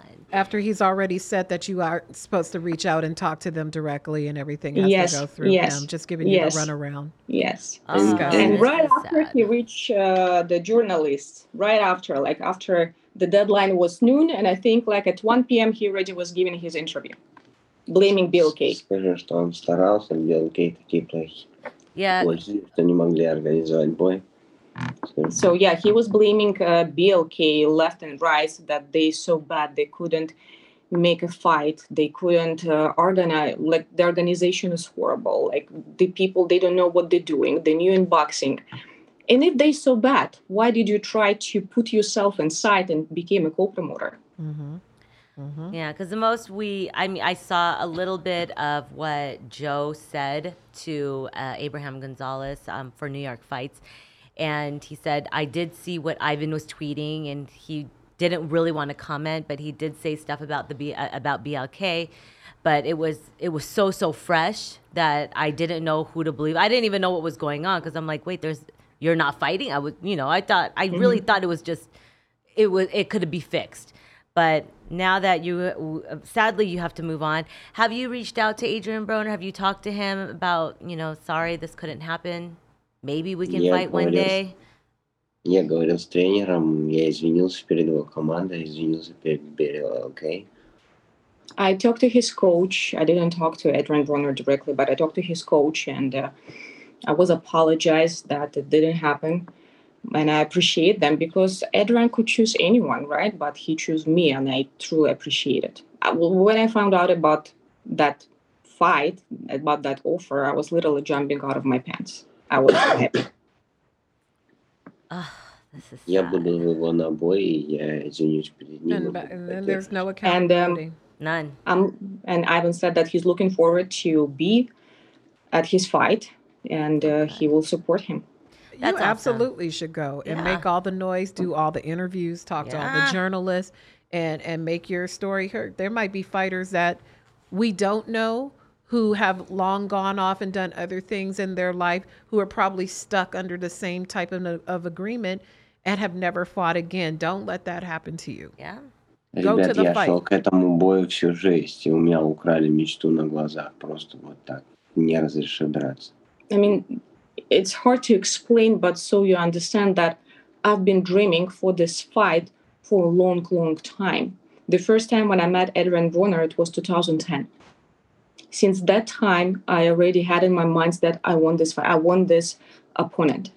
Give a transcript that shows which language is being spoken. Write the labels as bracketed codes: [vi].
[en] After he's already said that you are supposed to reach out and talk to them directly and everything has to go through them, just giving you the runaround. And right after he reached the journalist, right after, like after the deadline was noon, and I think like at 1 p.m. he already was giving his interview. blaming BLK. [ru] Скажи, что он старался, BLK такие плохие, что не могли организовать бой. [en] So yeah, he was blaming BLK left and right that they so bad they couldn't make a fight, they couldn't organize, like the organization is horrible, like the people, they don't know what they're doing, they're new in boxing. And if they so bad, why did you try to put yourself inside and became a co-promoter? Yeah, because the most I saw a little bit of what Joe said to Abraham Gonzalez for New York Fights. And he said, I did see what Ivan was tweeting, and he didn't really want to comment, but he did say stuff about about BLK. But it was so fresh that I didn't know who to believe. I didn't even know what was going on, because I'm like, wait, you're not fighting? I really thought it was just, it could be fixed. But now that sadly, you have to move on. Have you reached out to Adrien Broner? Have you talked to him about, sorry, this couldn't happen? Maybe we can fight one day? [ru] Я говорил с тренером, я извинился перед его командой, извинился перед BLK. [en] I talked to his coach. I didn't talk to Adrien Broner directly, but I talked to his coach, and I was apologized that it didn't happen. And I appreciate them, because Adrien could choose anyone, right? But he chose me, and I truly appreciate it. When I found out about that fight, about that offer, I was literally jumping out of my pants. I was so happy. [ru] Я буду в его набой, и я извинюсь перед ним. [en] And Ivan said that he's looking forward to be at his fight, and he will support him. That's awesome. Absolutely should go and make all the noise, do all the interviews, talk to all the journalists, and make your story heard. There might be fighters that we don't know who have long gone off and done other things in their life, who are probably stuck under the same type of agreement and have never fought again. Don't let that happen to you. Yeah. Go to the fight. [ru] Ребят, я шел к этому бою всю жизнь, и у меня украли мечту на глазах. Просто вот так. Не разреши драться. [en] I mean, it's hard to explain, but so you understand that I've been dreaming for this fight for a long, long time. The first time when I met Adrien Broner, it was 2010. Since that time, I already had in my mind that I want this fight. I want this opponent.